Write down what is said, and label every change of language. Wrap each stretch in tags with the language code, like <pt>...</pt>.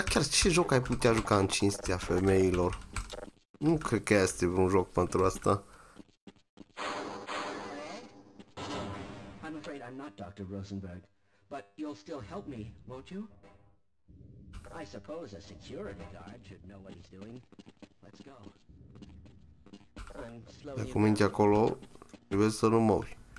<ro>Ce joc ai putea juca în cinstea femeilor? Nu cred că este un joc pentru asta.</ro> <en>I'm afraid I'm not Dr. Rosenberg, but you'll still help me, won't you? I suppose a security guard should know what he's doing. Let's go.</en> <ro>Cu minte acolo, trebuie să nu mori.</ro>